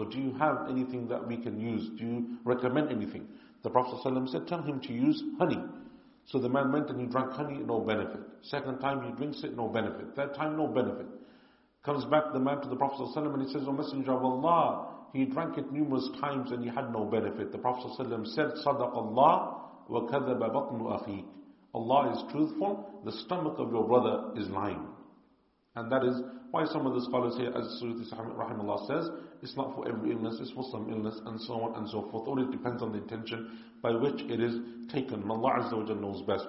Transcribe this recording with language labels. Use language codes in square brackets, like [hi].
[en] So do you have anything that we can use? Do you recommend anything? The Prophet ﷺ said, tell him to use honey. So the man went and he drank honey, no benefit. Second time he drinks it, no benefit. Third time, no benefit. Comes back the man to the Prophet ﷺ and he says, O Messenger of Allah, he drank it numerous times and he had no benefit. The Prophet ﷺ said, [ar] صدق الله وكذب بطن أخيك. [en] Allah is truthful, the stomach of your brother is lying. And that is why some of the scholars here, as Suyuti rahimahullah says, it's not for every illness, it's for some illness, and so on and so forth. Only it depends on the intention by which it is taken. Allah Azza wa Jalla knows best.